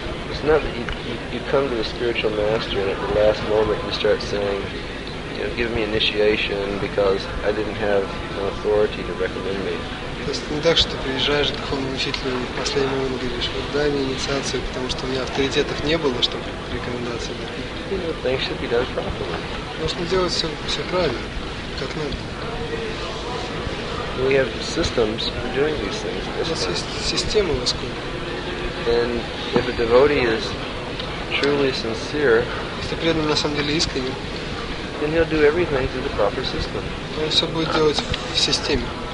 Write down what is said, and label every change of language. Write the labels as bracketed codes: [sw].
[en] It's not that you come to the spiritual master and at the last moment you start saying, you know, give me initiation because I didn't have an authority to recommend me. [ru] То есть не так, что ты приезжаешь к духовному учителю в последний момент и говоришь, вот дай мне инициацию, потому что у меня авторитетов не было, чтобы рекомендации дать. [en] You know, things should be done properly. [ru] Нужно делать все правильно, как надо. [en] We have systems for doing these things. [ru] У нас есть системы, насколько. [en] And if a devotee is truly sincere, [ru] если преданный на самом деле искренен, [en] then he'll do everything through the proper system. [ru] Он все будет делать по системе.